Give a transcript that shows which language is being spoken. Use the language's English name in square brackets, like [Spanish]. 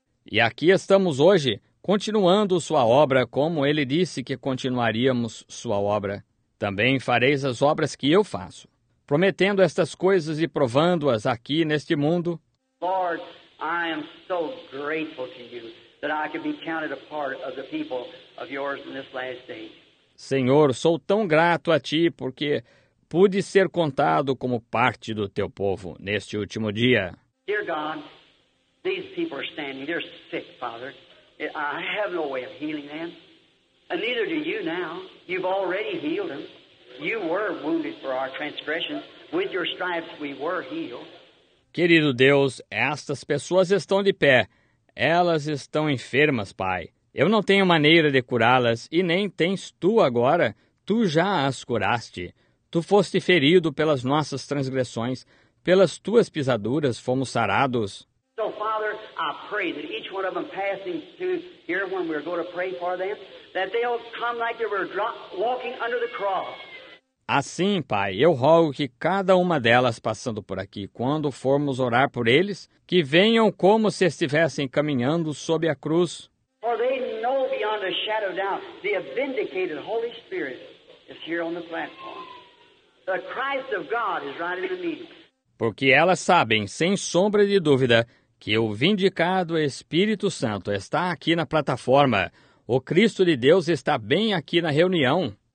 [Portuguese] E aqui estamos hoje, continuando sua obra como ele disse que continuaríamos sua obra. Também fareis as obras que eu faço, prometendo estas coisas e provando-as aqui neste mundo. [English] Lord, I am so grateful to you that I can be counted a part of the people of yours in this last day. [Portuguese] Senhor, sou tão grato a ti porque pude ser contado como parte do teu povo neste último dia. [English] Dear God, these people are standing, they're sick, Father. I have no way of healing them. And neither do you now. You've already healed him. You were wounded for our transgressions. With your stripes we were healed. [Portuguese] Querido Deus, estas pessoas estão de pé. Elas estão enfermas, Pai. Eu não tenho maneira de curá-las e nem tens tu agora. Tu já as curaste. Tu foste ferido pelas nossas transgressões. Pelas tuas pisaduras fomos sarados. [English] So, Father, I pray that each one of them passing through here when we're going to pray for them, that they'll come like they were walking under the cross. [Portuguese] Assim, Pai, eu rogo que cada uma delas passando por aqui, quando formos orar por eles, que venham como se estivessem caminhando sob a cruz. [English] For they know beyond a shadow of doubt, the vindicated Holy Spirit is here on the platform. The Christ of God is right in the meeting. [Portuguese] Porque elas sabem, sem sombra de dúvida, que o vindicado Espírito Santo está aqui na plataforma. O Cristo de Deus está bem aqui na reunião.